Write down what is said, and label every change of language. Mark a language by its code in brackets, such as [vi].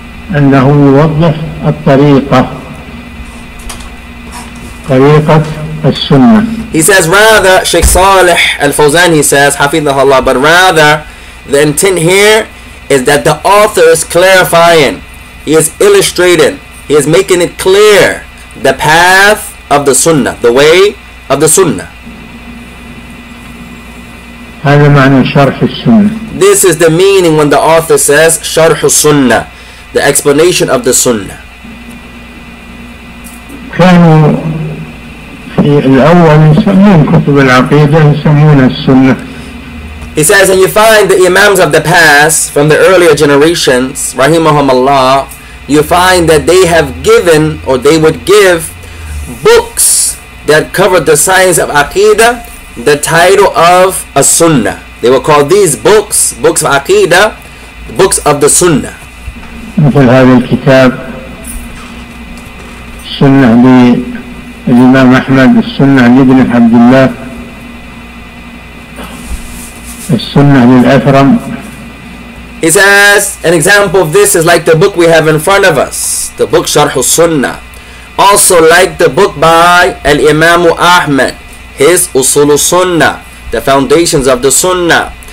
[ar] أنه يوضح الطريقة طريقة السنة. [en] He says rather, Sheikh Saleh Al-Fawzan, he says, [ar] حفظه الله, [en] but rather the intent here is that the author is clarifying, he is illustrating, he is making it clear the path of the sunnah, the way of the sunnah. [ar] هذا معنى شرح السنة. [en] This is the meaning when the author says [ar] شرح السنة, [en] the explanation of the sunnah. [ar] كانوا في الأول يسمون كتب العقيدة يسمون السنة. [en] He says, and you find the imams of the past, from the earlier generations, rahimahum Allah, you find that they have given, or they would give, books that covered the science of aqidah, the title of a sunnah. They will call these books, books of aqidah, books of the sunnah. [ar] مثل هذا الكتاب سنة للإمام أحمد, السنة لابن عبد الله, [en] he says, an example of this is like the book we have in front of us, the book Sharh al-Sunnah. Also like the book by Al-Imam Ahmad, his Usul al-Sunnah, the foundations of the Sunnah.